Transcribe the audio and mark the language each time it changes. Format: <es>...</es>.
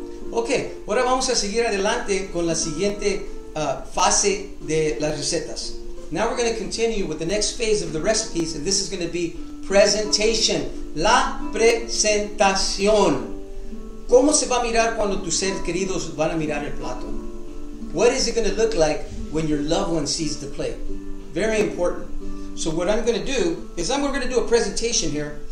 <es>Ok, ahora vamos a seguir adelante con la siguiente fase de las recetas.</es> <en>Now we're going to continue with the next phase of the recipes, and this is going to be presentation.</en> <es>La presentación. ¿Cómo se va a mirar cuando tus seres queridos van a mirar el plato?</es> <en>What is it going to look like when your loved one sees the plate? Very important. So what I'm going to do is I'm going to do a presentation here.</en>